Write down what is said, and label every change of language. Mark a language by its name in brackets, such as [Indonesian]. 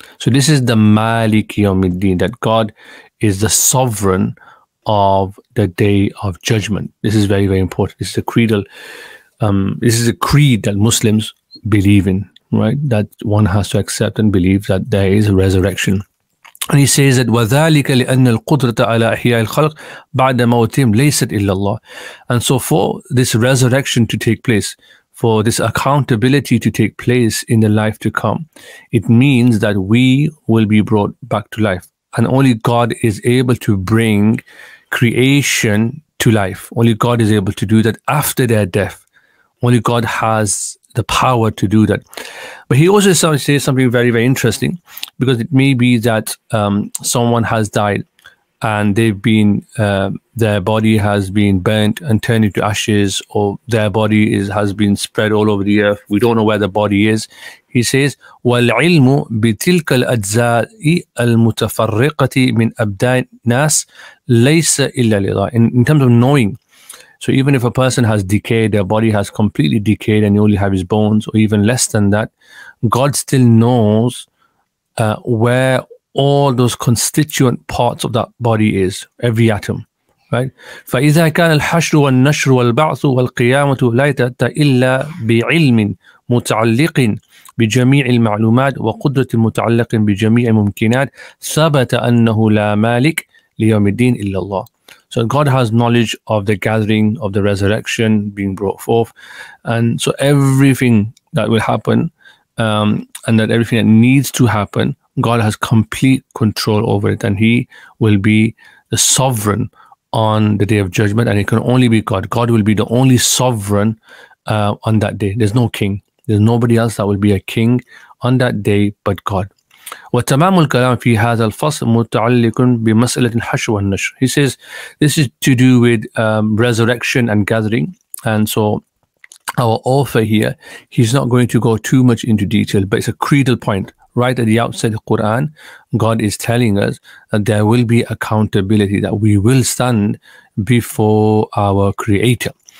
[English] So this is the Maliki Yawmiddin, that God is the sovereign of the day of judgment. This is very, very important. This is a creedal. This is a creed that Muslims believe in, right? That one has to accept and believe that there is a resurrection. And he says that [Arabic] وَذَٰلِكَ لِأَنَّ الْقُدْرَةَ عَلَىٰ أَحْيَاءِ الْخَلْقِ بَعْدَ مَوْتِهِمْ لَيْسَتْ إِلَّا اللَّهِ. [English] And so for this resurrection to take place, for this accountability to take place in the life to come, it means that we will be brought back to life. And only God is able to bring creation to life. Only God is able to do that after their death. Only God has the power to do that. But he also says something very, very interesting, because it may be that someone has died and they've been their body has been burnt and turned into ashes, or their body has been spread all over the earth. We don't know where the body is. He says, [Arabic] وَالْعِلْمُ بِتِلْكَ الْأَجْزَاءِ الْمُتَفَرِّقَةِ مِنْ أَبْدَانِ النَّاسِ لَيْسَ إِلَّا لِلَّهِ. [English] In terms of knowing, so even if a person has decayed, their body has completely decayed and you only have his bones, or even less than that, God still knows where all those constituent parts of that body is, every atom, right? [Arabic] فَإِذَا كَانَ الْحَشْرُ وَالنَّشْرُ وَالْبَعْثُ وَالْقِيَامَةُ لَا تَتَّ إِلَّا بِعِلْمٍ مُتَعَلِّقٍ بجميع المعلومات وقدرة المتعلق بجميع الممكنات ثبت أنه لا مالك ليوم الدين إلا الله. [English] So God has knowledge of the gathering, of the resurrection being brought forth. And so everything that will happen and that everything that needs to happen, God has complete control over it. And he will be the sovereign on the day of judgment. And it can only be God. God will be the only sovereign on that day. There's no king. There's nobody else that will be a king on that day but God. [Arabic] وتمام الكلام في هذا الفصل متعلق بمسألة الحشر والنشر. [English] He says this is to do with resurrection and gathering. And so our author here, he's not going to go too much into detail, but it's a creedal point. Right at the outset of the Quran, God is telling us that there will be accountability, that we will stand before our Creator.